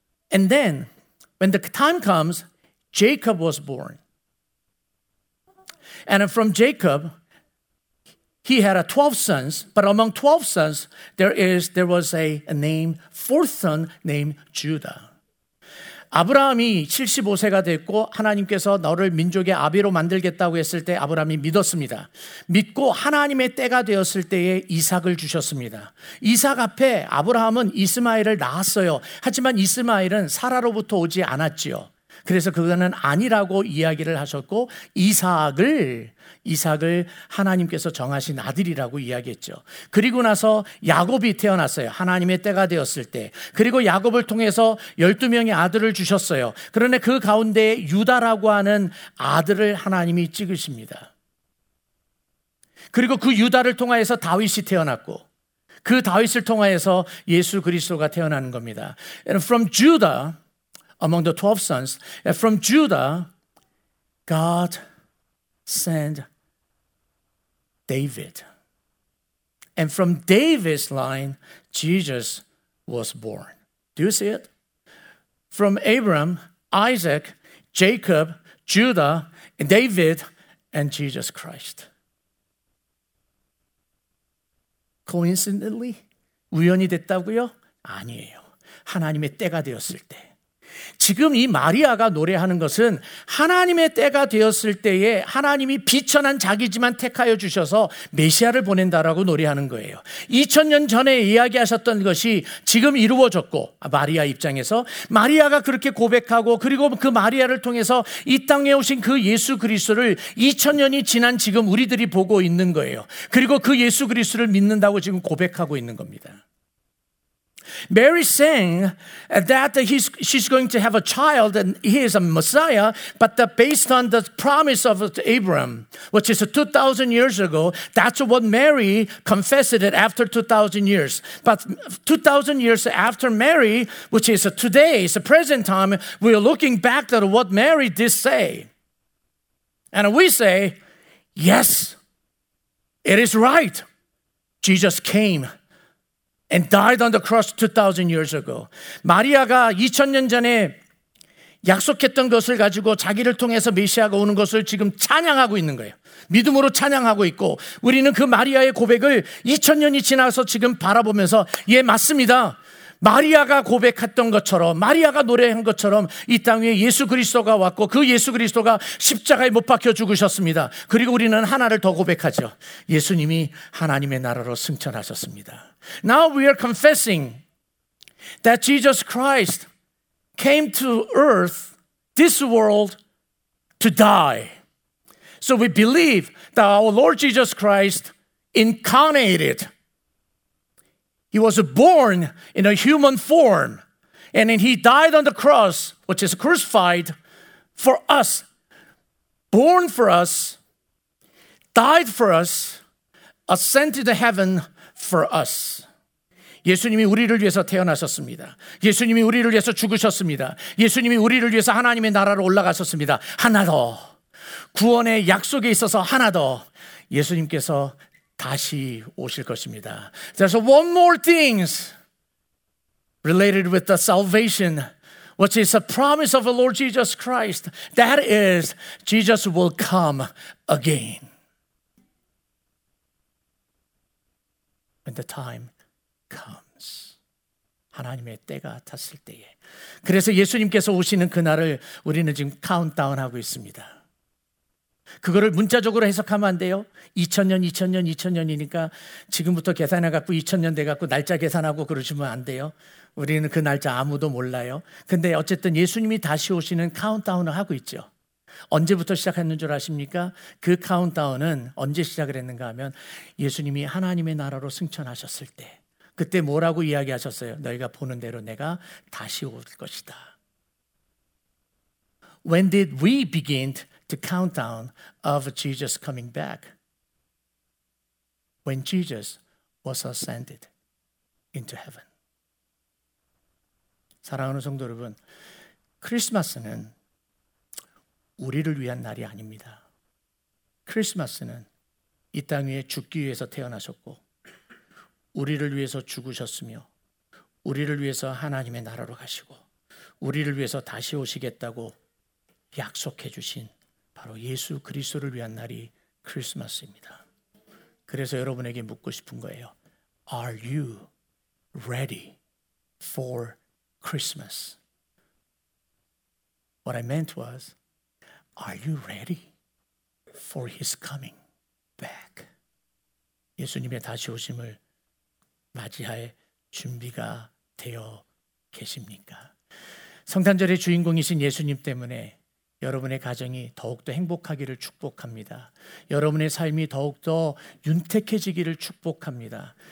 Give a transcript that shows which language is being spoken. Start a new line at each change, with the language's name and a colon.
English: And then, when the time comes, Jacob was born. And from Jacob, he had 12 sons. But among 12 sons, there was a fourth son named Judah.
Korean: 아브라함이 75세가 됐고 하나님께서 너를 민족의 아비로 만들겠다고 했을 때 아브라함이 믿었습니다. 믿고 하나님의 때가 되었을 때에 이삭을 주셨습니다. 이삭 앞에 아브라함은 이스마엘을 낳았어요. 하지만 이스마엘은 사라로부터 오지 않았지요. 그래서 그거는 아니라고 이야기를 하셨고 이삭을 하나님께서 정하신 아들이라고 이야기했죠. 그리고 나서 야곱이 태어났어요. 하나님의 때가 되었을 때. 그리고 야곱을 통해서 12명의 아들을 주셨어요. 그런데 그 가운데 유다라고 하는 아들을 하나님이 찍으십니다. 그리고 그 유다를 통하여서 다윗이 태어났고 그 다윗을 통하여서 예수 그리스도가 태어나는 겁니다.
English: And from Judah, among the 12 sons, from Judah, God sent David. And from David's line, Jesus was born. Do you see it? From Abraham, Isaac, Jacob, Judah, and David, and Jesus Christ. Coincidentally?
Korean: 우연이 됐다고요? 아니에요. 하나님의 때가 되었을 때. 지금 이 마리아가 노래하는 것은 하나님의 때가 되었을 때에 하나님이 비천한 자기지만 택하여 주셔서 메시아를 보낸다라고 노래하는 거예요. 2000년 전에 이야기하셨던 것이 지금 이루어졌고 마리아 입장에서 마리아가 그렇게 고백하고 그리고 그 마리아를 통해서 이 땅에 오신 그 예수 그리스도를 2000년이 지난 지금 우리들이 보고 있는 거예요. 그리고 그 예수 그리스도를 믿는다고 지금 고백하고 있는 겁니다.
English: Mary saying that she's going to have a child and he is a Messiah, but based on the promise of Abraham, which is 2,000 years ago, that's what Mary confessed it after 2,000 years. But 2,000 years after Mary, which is today, it's the present time, we are looking back at what Mary did say. And we say, yes, it is right. Jesus came and died on the cross 2,000 years ago.
Korean: 마리아가 2,000년 전에 약속했던 것을 가지고 자기를 통해서 메시아가 오는 것을 지금 찬양하고 있는 거예요. 믿음으로 찬양하고 있고 우리는 그 마리아의 고백을 2,000년이 지나서 지금 바라보면서 예, 맞습니다. 마리아가 고백했던 것처럼 마리아가 노래한 것처럼 이 땅 위에 예수 그리스도가 왔고 그 예수 그리스도가 십자가에 못 박혀 죽으셨습니다. 그리고 우리는 하나를 더 고백하죠. 예수님이 하나님의 나라로 승천하셨습니다.
English: Now we are confessing that Jesus Christ came to earth, this world, to die. So we believe that our Lord Jesus Christ incarnated. He was born in a human form. And then he died on the cross, which is crucified, for us. Born for us died for us, ascended to heaven for us.
Korean: 예수님이 우리를 위해서 태어나셨습니다. 예수님이 우리를 위해서 죽으셨습니다. 예수님이 우리를 위해서 하나님의 나라로 올라가셨습니다. 하나 더, 구원의 약속에 있어서 하나 더, 예수님께서 다시 오실 것입니다.
English: There's one more thing related with the salvation, which is a promise of the Lord Jesus Christ. That is, Jesus will come again. When the time comes.
Korean: 하나님의 때가 탔을 때에. 그래서 예수님께서 오시는 그날을 우리는 지금 카운트다운하고 있습니다. 그거를 문자적으로 해석하면 안 돼요. 2000년, 2000년, 2000년이니까 지금부터 계산해갖고 2000년 돼갖고 날짜 계산하고 그러시면 안 돼요. 우리는 그 날짜 아무도 몰라요. 근데 어쨌든 예수님이 다시 오시는 카운트다운을 하고 있죠. 언제부터 시작했는 줄 아십니까? 그 카운트다운은 언제 시작을 했는가 하면 예수님이 하나님의 나라로 승천하셨을 때, 그때 뭐라고 이야기하셨어요? 너희가 보는 대로 내가 다시 올 것이다.
English: When did we begin the countdown of Jesus coming back? When Jesus was ascended into heaven.
Korean: 사랑하는 성도 여러분, 크리스마스는 우리를 위한 날이 아닙니다. 크리스마스는 이 땅 위에 죽기 위해서 태어나셨고 우리를 위해서 죽으셨으며 우리를 위해서 하나님의 나라로 가시고 우리를 위해서 다시 오시겠다고 약속해 주신 바로 예수 그리스도를 위한 날이 크리스마스입니다. 그래서 여러분에게 묻고 싶은 거예요.
English: Are you ready for Christmas? What I meant was, are you ready for his coming back?
Korean: 예수님의 다시 오심을 맞이할 준비가 되어 계십니까? 성탄절의 주인공이신 예수님 때문에 여러분의 가정이 더욱더 행복하기를 축복합니다. 여러분의 삶이 더욱더 윤택해지기를 축복합니다.